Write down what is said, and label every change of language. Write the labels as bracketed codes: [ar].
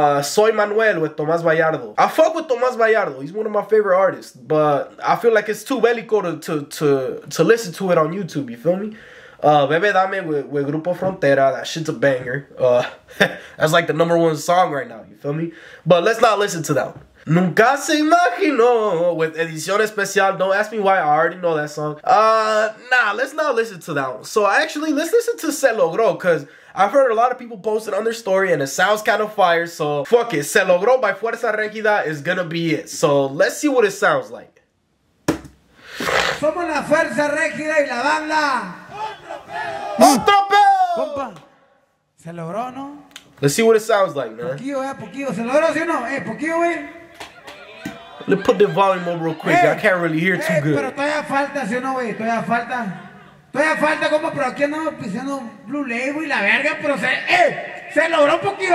[en] Soy Manuel with Tomás Vallardo. I fuck with Tomás Vallardo. He's one of my favorite artists. But I feel like it's too bellico to listen to it on YouTube, you feel me? Bebe Dame with Grupo Frontera. That shit's a banger. that's like the number one song right now, you feel me? But let's not listen to that one. Nunca Se Imagino with Edición Especial. Don't ask me why, I already know that song. Let's not listen to that one. So actually, let's listen to Se Logro, because I've heard a lot of people post it on their story and it sounds kind of fire, so fuck it. Se Logro by Fuerza Regida is gonna be it. So let's see what it sounds like. [es] Somos la Fuerza Regida y la banda. ¡Un tropeo! Compa, se logró, ¿no? [en] Let's see what it sounds like, man. [es] Poquillo, poquillo. ¿Se logró, sí o no? Poquillo, güey. [en] Let's put the volume up real quick. I can't really hear too good. [es] Pero todavía falta, sí o no, güey. Todavía falta. Todavía falta, compa. Pero aquí andamos pisando Blue Label y la verga. Pero se logró un poquillo.